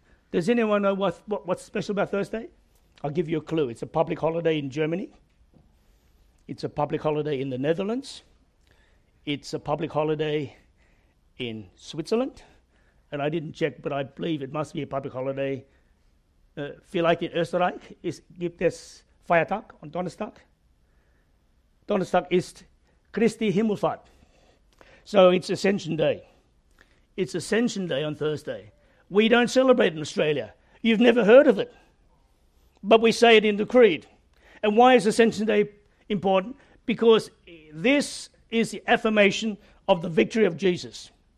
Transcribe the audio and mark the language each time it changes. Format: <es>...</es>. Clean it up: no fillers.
<en>Does anyone know what's special about Thursday? I'll give you a clue. It's a public holiday in Germany. It's a public holiday in the Netherlands. It's a public holiday in Switzerland. And I didn't check, but I believe it must be a public holiday. Feel like in</en> <de>Österreich, is gibt es Feiertag</de> <en>on</en> <de>Donnerstag. Donnerstag ist Christi Himmelfahrt.</de> <en>So it's Ascension Day. It's Ascension Day on Thursday. We don't celebrate in Australia. You've never heard of it. But we say it in the Creed. And why is Ascension Day important? Because this is the affirmation of the victory of Jesus.</en>